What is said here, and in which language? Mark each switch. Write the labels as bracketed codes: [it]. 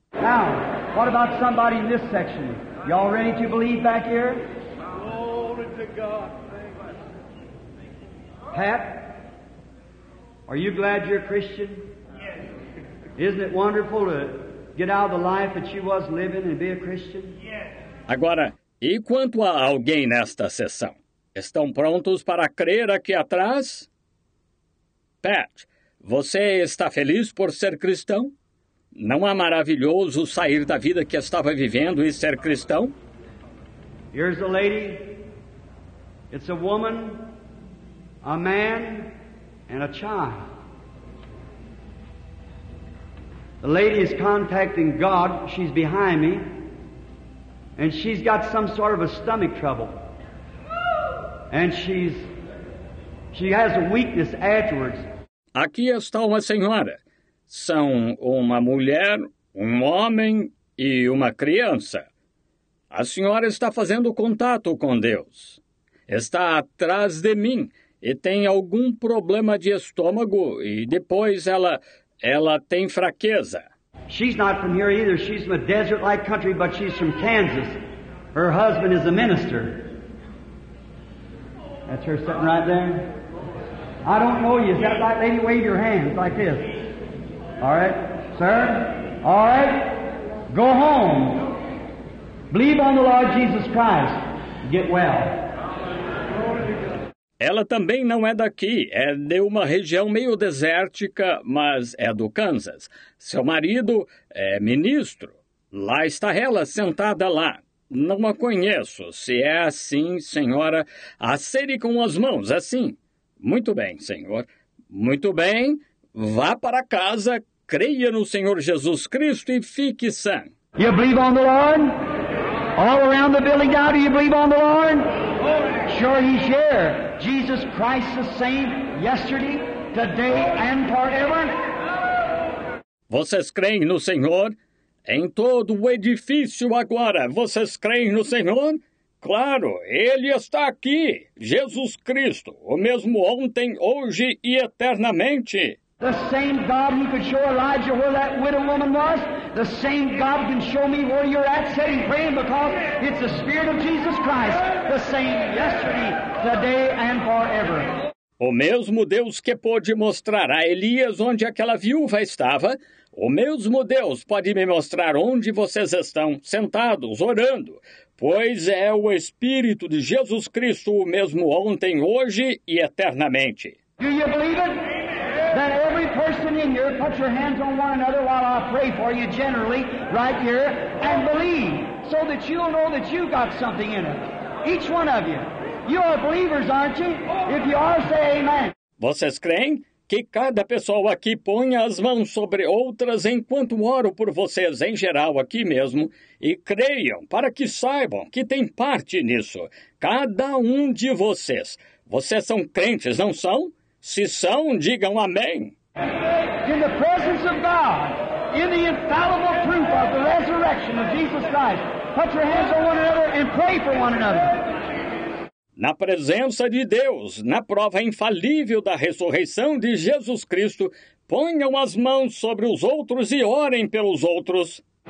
[en] Now, what about somebody in this section? Y'all ready to believe back here? Glory to God. Pat, are you glad you're Christian? Yes. Isn't it wonderful to get out of the life that she was living and be a Christian? Yes. [pt] Agora, E quanto a alguém nesta sessão? Estão prontos para crer aqui atrás? Pat, você está feliz por ser cristão? Não é maravilhoso sair da vida que estava vivendo e ser cristão? [en] Here's a lady. It's a woman, a man, and a child. The lady is contacting God. She's behind me. And she's got some sort of a stomach trouble. And she has a weakness afterwards. [pt] Aqui está uma senhora. São uma mulher, um homem e uma criança. A senhora está fazendo contato com Deus. Está atrás de mim e tem algum problema de estômago e depois ela tem fraqueza. [en] She's not from here either. She's from a desert-like country, but she's from Kansas. Her husband is a minister. That's her sitting right there. I don't know you. Is that right, lady? Wave your hands like this. All right, sir. All right. Go home. Believe on the Lord Jesus Christ. Get well. [pt] Ela também não é daqui, é de uma região meio desértica, mas é do Kansas. Seu marido é ministro. Lá está ela, sentada lá. Não a conheço. Se é assim, senhora, acene com as mãos, assim. Muito bem, senhor. Muito bem. Vá para casa, creia no Senhor Jesus Cristo e fique sã. [en] You believe on the Lord? All around the building now, do you believe on the Lord? Sure, he's here. Jesus Christ the same yesterday, today and forever. [pt] Vocês creem no Senhor? Em todo o edifício agora, vocês creem no Senhor? Claro, Ele está aqui, Jesus Cristo, o mesmo ontem, hoje e eternamente. [en] The same God who could show Elijah where that widow woman was, the same God can show me where you're at sitting praying, because it's the Spirit of Jesus Christ, the same yesterday, today and forever. [pt] O mesmo Deus que pôde mostrar a Elias onde aquela viúva estava, o mesmo Deus pode me mostrar onde vocês estão, sentados, orando, pois é o Espírito de Jesus Cristo o mesmo ontem, hoje e eternamente. [en] Do you believe it? That every person in here, put your hands on one another while I pray for you generally, right here, and believe, so that you'll know that you've got something in it. Each one of you. You are believers, aren't you? If you are, say amen. [pt] Vocês creem? Que cada pessoa aqui ponha as mãos sobre outras enquanto oro por vocês em geral aqui mesmo e creiam para que saibam que tem parte nisso. Cada um de vocês. Vocês são crentes, não são? Se são, digam amém. [en] In the presence of God, in the infallible proof of the resurrection of Jesus Christ, put your hands on one another and pray for one another. [pt] Na presença de Deus, na prova infalível da ressurreição de Jesus Cristo, ponham as mãos sobre os outros e orem pelos outros.